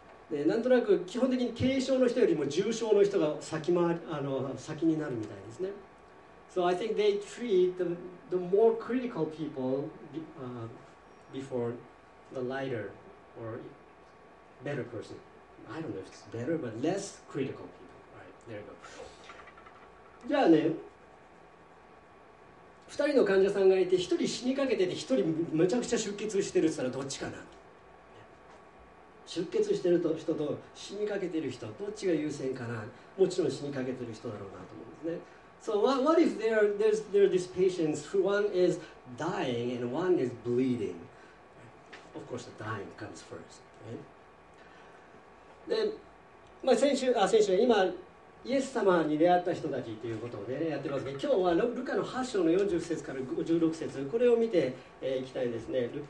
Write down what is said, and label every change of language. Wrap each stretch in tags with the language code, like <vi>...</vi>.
<ja>でなんとなく基本的に軽症の人よりも重症の人が先になるみたいですね。</ja> <en>So I think they treat the more critical people before. The lighter or better person. I don't know if it's better, but less critical people. All right, there you go.</en> <ja>じゃあね、2人の患者さんがいて、1人死にかけてて、1人むちゃくちゃ出血してるって言ったらどっちかな？出血してる人と死にかけてる人、どっちが優先かな？もちろん死にかけてる人だろうなと思うんですね。</ja> <en>So what if there are these patients who one is dying and one is bleeding? Of course, the dying comes first, right?</en> <ja>で、まあ、先週今イエス様に出会った人たちということを、ね、やってますけど、今日はルカの8章の40節から56節、これを見て、いきたいですね。</ja>